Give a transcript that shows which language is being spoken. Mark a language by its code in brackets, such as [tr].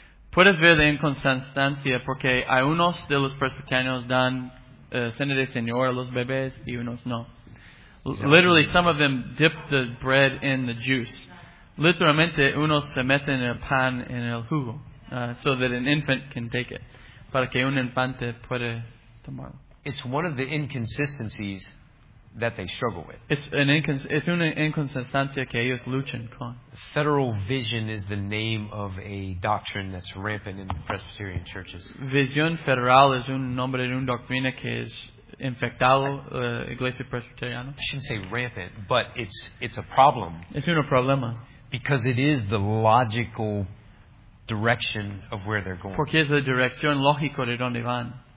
[es] Puedes ver la inconsistencia porque algunos de los presbiterianos dan cena del Señor a los bebés y unos no. [en] Literally, some of them dip the bread in the juice. [es] Literalmente, unos se meten el pan en el jugo [en] so that an infant can take it. [es] Para que un infante pueda tomarlo. [en] It's one of the inconsistencies that they struggle with. [es] Es una inconsistencia que ellos luchan con. [en] Federal vision is the name of a doctrine that's rampant in the Presbyterian churches. [es] Visión federal es un nombre de una doctrina que es infectado iglesia presbiteriana. [en] I shouldn't say rampant, but it's a problem. [es] Es un problema. [en] Because it is the logical direction of where they're going. [es] Porque es la dirección lógica de donde van.